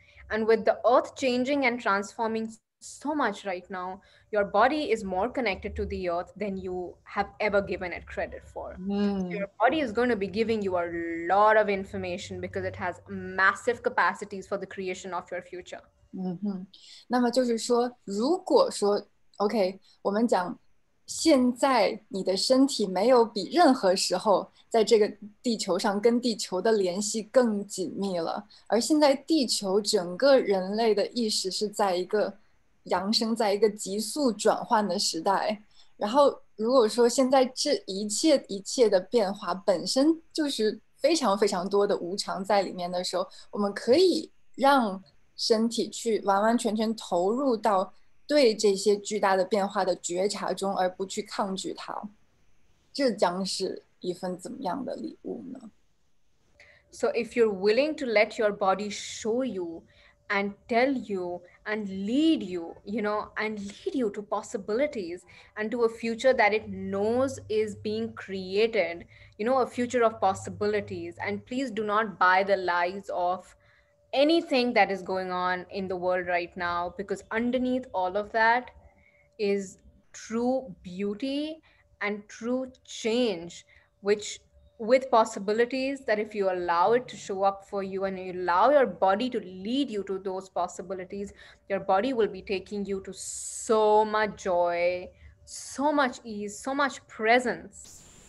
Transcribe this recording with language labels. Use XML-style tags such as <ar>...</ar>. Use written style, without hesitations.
<en>And with the earth changing and transforming so much right now, your body is more connected to the earth than you have ever given it credit for. Mm. Your body is going to be giving you a lot of information because it has massive capacities for the creation of your future.</en> <zh>那么就是说，如果说 OK， 我们讲现在你的身体没有比任何时候在这个地球上跟地球的联系更紧密了，而现在地球整个人类的意识是在一个扬升在一个急速转换的时代，然后如果说现在这一切一切的变化本身就是非常非常多的无常在里面的时候，我们可以让身体去完完全全投入到对这些巨大的变化的觉察中，而不去抗拒它，这将是一份怎么样的礼物呢？</zh> <en>So if you're willing to let your body show youand tell you and lead you, you know, and lead you to possibilities and to a future that it knows is being created, you know, a future of possibilities. And please do not buy the lies of anything that is going on in the world right now, because underneath all of that is true beauty and true change, which with possibilities that if you allow it to show up for you and you allow your body to lead you to those possibilities, your body will be taking you to so much joy, so much ease, so much presence.</en>